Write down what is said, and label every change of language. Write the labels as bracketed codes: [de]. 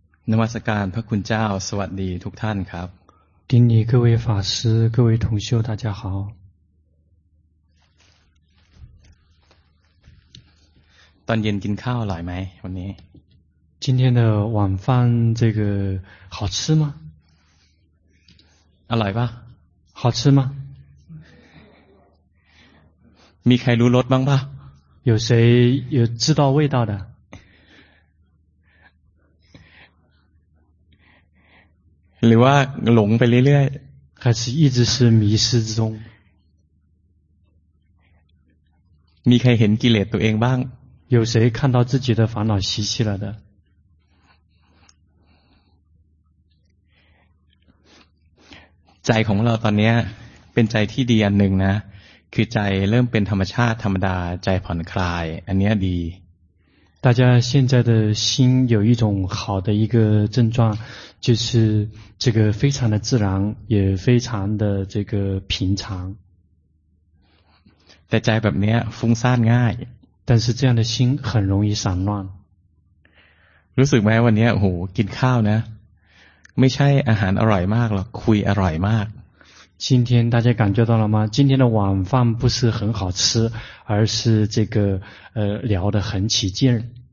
[th] นมัสการพระคุณเจ้าสวัสดีทุกท่านครับ [zh] 顶礼各位法师各位同修大家好 [th] ตอนเย็นกินข้าวอร่อยไหมวันนี้ [zh] 今天的晚饭这个好吃吗 [th] อร่อยป่ะ [zh] 好吃吗 [th] มีใครรู้รสบ้างป่ะ [zh] 有谁有知道味道的 [th] หรือว่าหลงไปเรื่อย [zh] ๆ还是一直是迷失之中 [th] มีใครเห็นกิเลสตัวเองบ้าง [zh] 有谁看到自己的烦恼习气了的 [th] ใจของเราตอนนี้เป็นใจที่ดีอันหนึ่งนะคือใจเริ่มเป็นธรรมชาติธรรมดาใจผ่อนคลายอันนี้ดี [zh] 大家现在的心有一种好的一个症状就是这个非常的自然也非常的这个平常 [th] แต่ใจแบบนี้ฟุ้งซ่านง่าย [zh] 但是这样的心很容易散乱 [th] รู้สึกไหมวันนี้โหกินข้าวนะไม่ใช่อาหารอร่อยมากหรอกคุยอร่อยมาก [zh] 今天大家感觉到了吗今天的晚饭不是很好吃而是这个聊得很起劲